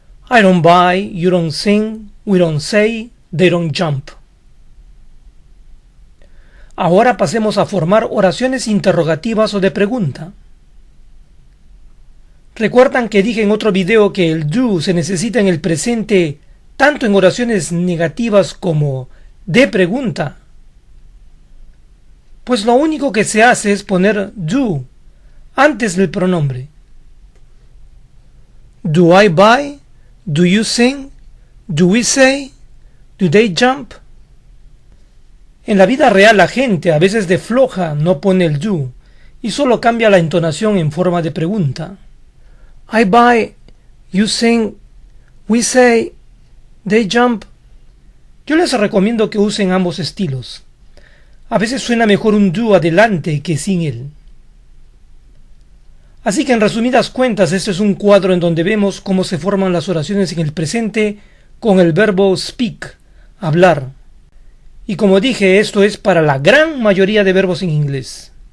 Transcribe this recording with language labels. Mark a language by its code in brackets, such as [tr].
[en] I don't buy, you don't sing, we don't say, they don't jump. [es] Ahora pasemos a formar oraciones interrogativas o de pregunta. ¿Recuerdan que dije en otro video que el do se necesita en el presente tanto en oraciones negativas como de pregunta? Pues lo único que se hace es poner do antes del pronombre. [en] Do I buy? Do you sing? Do we say? Do they jump? [es] En la vida real la gente a veces de floja no pone el do y solo cambia la entonación en forma de pregunta. [en] I buy, you sing, we say, they jump. [es] Yo les recomiendo que usen ambos estilos. A veces suena mejor un do adelante que sin él. Así que en resumidas cuentas, este es un cuadro en donde vemos cómo se forman las oraciones en el presente con el verbo speak, hablar. Y como dije, esto es para la gran mayoría de verbos en inglés.